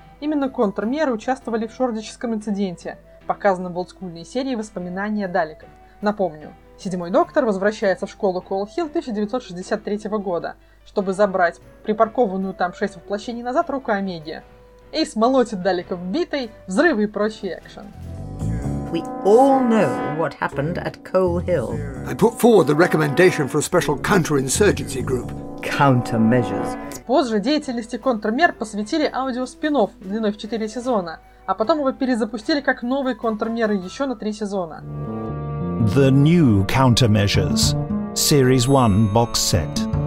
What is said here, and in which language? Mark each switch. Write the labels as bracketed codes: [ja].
[ru] Именно контрмеры участвовали в шордическом инциденте, показанном в олдскульной серии «Воспоминания Даликов». Напомню, седьмой доктор возвращается в школу Колхилл 1963 года, чтобы забрать припаркованную там 6 воплощений назад руку Омеги. Эйс молотит Даликов битой, взрывы и прочий экшен. [en] We all know what happened at Coal Hill. I put forward the recommendation for a special counterinsurgency group. Countermeasures. [ru] Позже деятельности контрмер посвятили аудио-спин-офф длиной в 4 сезона, а потом его перезапустили как новые контрмеры еще на 3 сезона. [en] The New Countermeasures. Series 1 Box Set.